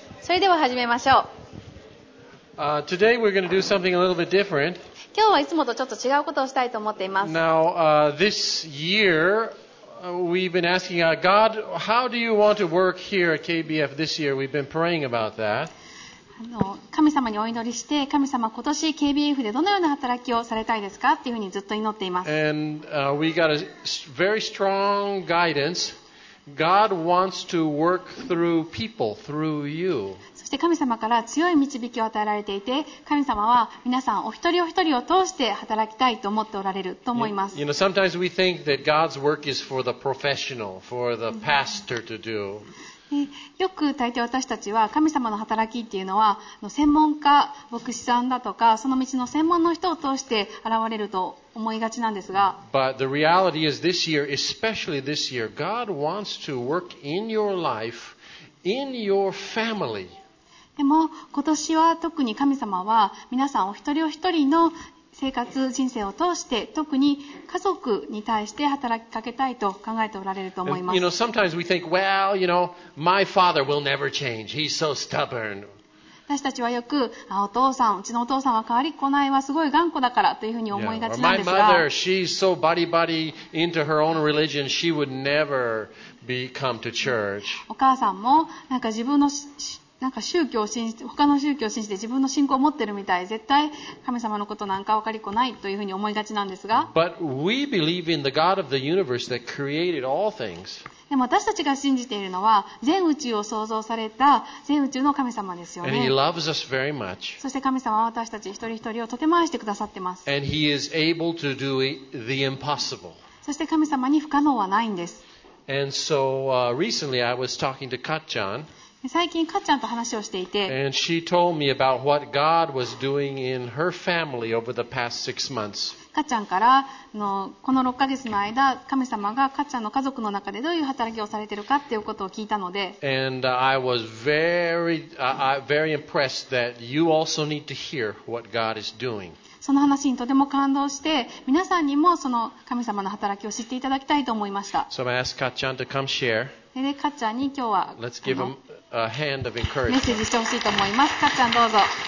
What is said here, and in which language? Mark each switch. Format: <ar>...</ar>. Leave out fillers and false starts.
<ja>それでは始めましょう。</ja> <en>Today we're going to do something a little bit different.</en> <ja>今日はいつもとちょっと違うことをしたいと思っています。</ja> <en>Now, this year, we've been asking God, God, how do you want to work here at KBF this year? We've been praying about that.</en> <ja>神様にお祈りして、神様、今年 KBF でどのような働きをされたいですかっていうふうにずっと祈っています。</ja> <en>And, we got a very strong guidance. God wants to work through people, through you.</en> <ja>そして神様から強い導きを与えられていて、神様は皆さんお一人お一人を通して働きたいと思っておられると思います。</ja> <en>You know, sometimes we think that God's work is for the professional, for the pastor to do.</en> <ja>よく大抵私たちは神様の働きっていうのは専門家、牧師さんだとかその道の専門の人を通して現れると思いがちなんですが</ja> <en>But the reality is this year, especially this year, God wants to work in your life, in your family.</en> <ja>でも今年は特に神様は皆さんお一人お一人の生活、人生を通して特に家族に対して働きかけたいと考えておられると思います。</ja> <en>You know, sometimes we think, well, you know, my father will never change. He's so stubborn.</en> <ja>私たちはよく、あ、お父さん、うちのお父さんは変わりっこないわ、すごい頑固だからというふうに思いがちなんですが。</ja> <en>My mother, she's so buddy-buddy into her own religion, she would never be come to church.</en> <ja>お母さんもなんか自分のなんか宗教を信じて他の宗教を信じて自分の信仰を持ってるみたい絶対神様のことなんか分かりこないというふうに思いがちなんですが</ja> <en>But we believe in the God of the universe that created all things.</en> <ja>でも私たちが信じているのは全宇宙を創造された全宇宙の神様ですよね</ja> <en>And he loves us very much.</en> <ja>そして神様は私たち一人一人をとても愛してくださってます</ja> <en>And he is able to do the impossible.</en> <ja>そして神様に不可能はないんです</ja> <en>And so, recently I was talking to Katjan.</en> <ja>最近かっちゃんと話をしていて</ja> <en>And she told me about what God was doing in her family over the past six months.</en> <ja>かっちゃんからのこの6ヶ月の間神様がかっちゃんの家族の中でどういう働きをされているかということを聞いたので</ja> <en>And I was very, very impressed that you also need to hear what God is doing.</en> <ja>その話にとても感動して、皆さんにもその神様の働きを知っていただきたいと思いました。</ja> <en>So I asked Katjan to come share.</en> <ja>で、かっちゃんに今日は、</ja> <en>Let's give him a hand of encouragement.</en> <ja>メッセージしてほしいと思います。かっちゃんどうぞ。</ja>